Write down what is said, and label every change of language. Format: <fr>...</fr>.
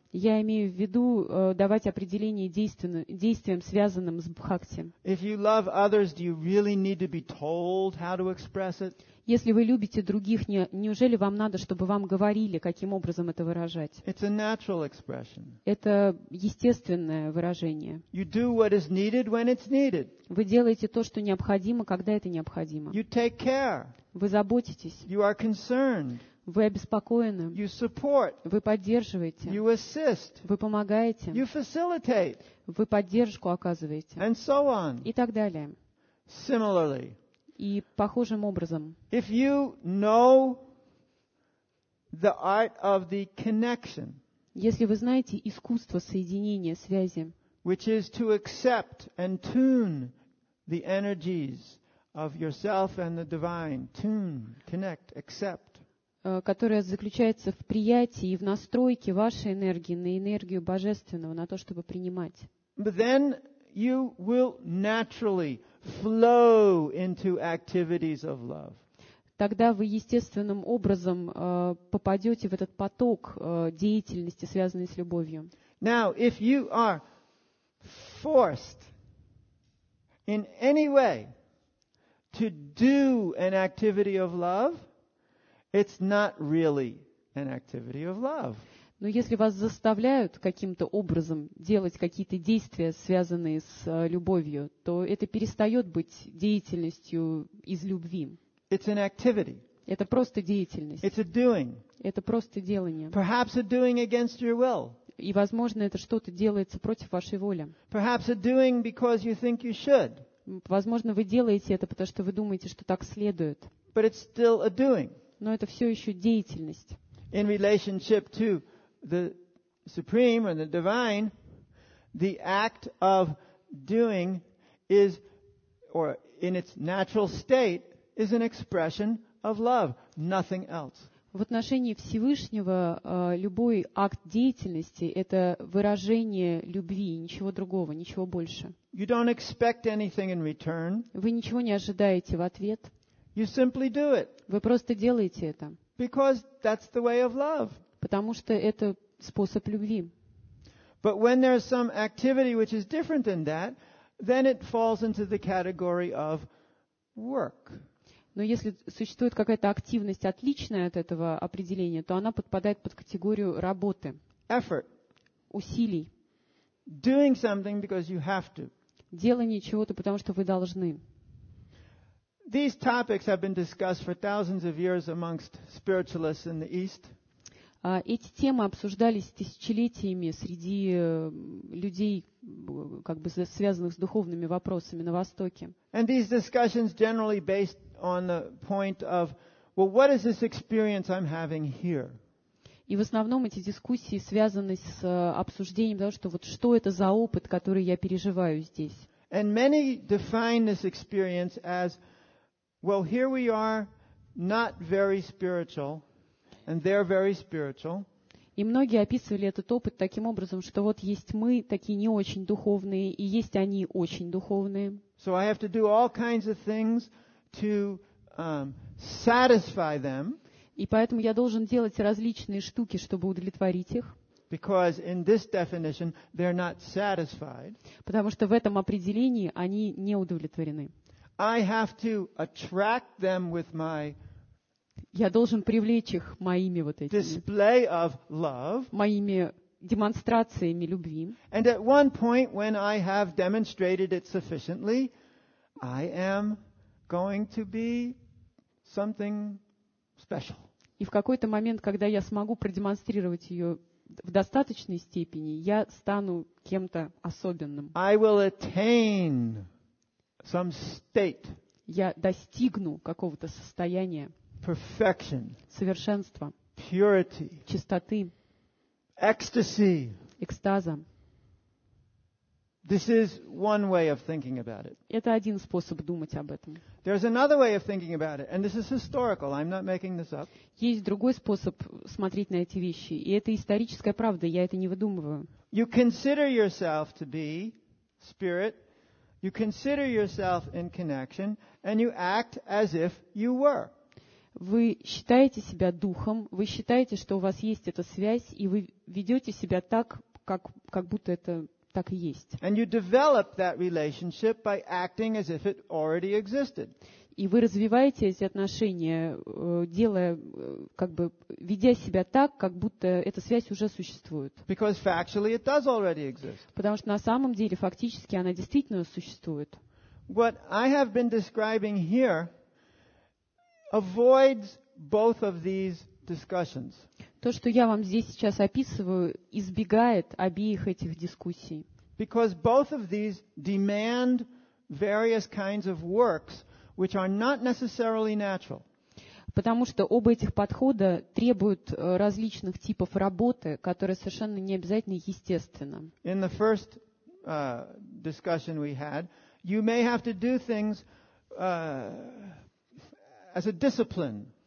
<ru>Я имею в виду давать определение действиям, связанным с бхакти.</ru> <en>If you love others, do you really need to be told how to express it?</en> <ru>Если вы любите других, неужели вам надо, чтобы вам говорили, каким образом это выражать?</ru> <en>It's a natural expression.</en> <ru>Это естественное выражение.</ru> <en>You do what is needed when it's needed.</en> <ru>Вы делаете то, что необходимо, когда это необходимо.</ru> <en>You take care.</en> <ru>Вы заботитесь.</ru> <en>You are concerned.</en> <ru>Вы обеспокоены.</ru> <en>You support.</en> <ru>Вы поддерживаете.</ru> <en>You assist.</en> <ru>Вы помогаете.</ru> <en>You facilitate.</en> <ru>Вы поддержку оказываете.</ru> <en>And so on.</en> <ru>И так далее.</ru> <en>Similarly.</en> <ru>И похожим образом.</ru> <en>If you know the art of the connection,</en> <ru>если вы знаете искусство соединения, связи,</ru> <en>which is to accept and tune the energies of yourself and the divine, tune, connect, accept,</en> <ru>которое заключается в приятии и в настройке вашей энергии на энергию Божественного, на то, чтобы принимать.</ru> <en>But then you will naturally flow into activities of love.</en> <ru>Тогда вы естественным образом попадете в этот поток деятельности, связанной с любовью.</ru> <en>Now, if you are forced in any way to do an activity of love, it's not really an activity of love.</en> <ru>Но если вас заставляют каким-то образом делать какие-то действия, связанные с любовью, то это перестает быть деятельностью из любви.</ru> <en>It's an activity.</en> <ru>Это просто деятельность.</ru> <en>It's a doing.</en> <ru>Это просто делание.</ru> <en>Perhaps a doing against your will.</en> <ru>И, возможно, это что-то делается против вашей воли.</ru> <en>Perhaps a doing because you think you should.</en> <ru>Возможно, вы делаете это, потому что вы думаете, что так следует.</ru> <en>But it's still a doing.</en> <ru>Но это все еще деятельность.</ru> <en>In relationship to the supreme or the divine, the act of doing is, or in its natural state, is an expression of love, nothing else.</en> <ru>В отношении Всевышнего любой акт деятельности — это выражение любви, ничего другого, ничего больше.</ru> <en>You don't expect anything in return.</en> <ru>Вы ничего не ожидаете в ответ.</ru> <en>You simply do it.</en> <ru>Вы просто делаете это.</ru> <en>Because that's the way of love.</en> <ru>Потому что это способ любви.</ru> <en>But when there is some activity which is different than that, then it falls into the category of work.</en> <ru>Но если существует какая-то активность, отличная от этого определения, то она подпадает под категорию работы.</ru> <en>Effort.</en> <ru>Усилий.</ru> <en>Doing something because you have to.</en> <ru>Делание чего-то, потому что вы должны.</ru> <en>These topics have been discussed for thousands of years amongst spiritualists in the East.</en> <ru>Эти темы обсуждались тысячелетиями среди людей, как бы связанных с духовными вопросами на Востоке.</ru> <en>And these discussions generally based on the point of, well, what is this experience I'm having here?</en> <ru>И в основном эти дискуссии связаны с обсуждением того, что вот что это за опыт, который я переживаю здесь.</ru> <en>And many define this experience as, well, here we are, not very spiritual. And they're very spiritual.</en> <ru>И многие описывали этот опыт таким образом, что вот есть мы, такие не очень духовные, и есть они очень духовные.</ru> <en>So I have to do all kinds of things to satisfy them.</en> <ru>И поэтому я должен делать различные штуки, чтобы удовлетворить их.</ru> <en>Because in this definition they're not satisfied.</en> <ru>Потому что в этом определении они не удовлетворены.</ru> <en>I have to attract them with my</en> <ru>Я должен привлечь их моими вот этими</ru> <en>display of love,</en> <ru>моими демонстрациями любви.</ru> <en>And at one point when I have demonстrated it sufficiently, I am going to be something special.</en> <ru>И в какой-то момент, когда я смогу продемонстрировать ее в достаточной степени, я стану кем-то особенным.</ru> <en>I will attain some state.</en> <ru>Я достигну какого-то состояния.</ru> <en>Perfection,</en> <ru>совершенство,</ru> <en>purity,</en> <ru>чистоты,</ru> <en>ecstasy.</en> <ru>Экстаза.</ru> <en>This is one way of thinking about it.</en> <ru>Это один способ думать об этом.</ru> <en>There's another way of thinking about it, and this is historical. I'm not making this up.</en> <ru>Есть другой способ смотреть на эти вещи, и это историческая правда. Я это не выдумываю.</ru> <en>You consider yourself to be spirit. You consider yourself in connection, and you act as if you were.</en> <ru>Вы считаете себя духом. Вы считаете, что у вас есть эта связь, и вы ведете себя так, как будто это так и есть.</ru> <en>And you develop that relationship by acting as if it already existed.</en> <ru>И вы развиваете эти отношения, делая, как бы, ведя себя так, как будто эта связь уже существует.</ru> <en>Because factually it does already exist.</en> <ru>Потому что на самом деле фактически она действительно существует.</ru> <en>What I have been describing here avoids both of these discussions.</en> <ru>То, что я вам здесь сейчас описываю, избегает обеих этих дискуссий.</ru> <en>Because both of these demand various kinds of works which are not necessarily natural.</en> <ru>Потому что оба этих подхода требуют различных типов работы, которые совершенно не обязательно естественны.</ru> <en>In the first discussion we had, you may have to do things as a discipline.</en>